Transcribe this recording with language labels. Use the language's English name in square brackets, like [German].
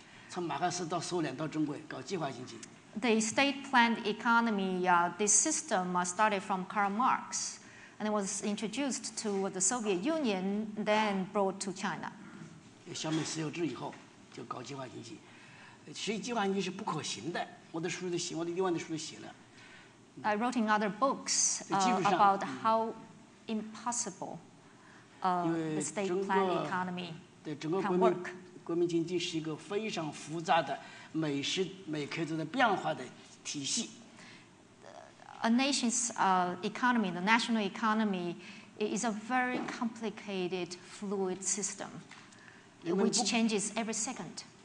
[English] The state-planned economy, this system started from Karl Marx, and it was introduced to the Soviet Union, then brought to China. [Chinese] 消灭石油制以后，就搞计划经济。实际计划经济是不可行的，我的书都写了。 [English] I wrote in other books about how impossible the state-planned economy can work. A nation's economy, the national economy, is a very complicated, fluid system, which changes every second.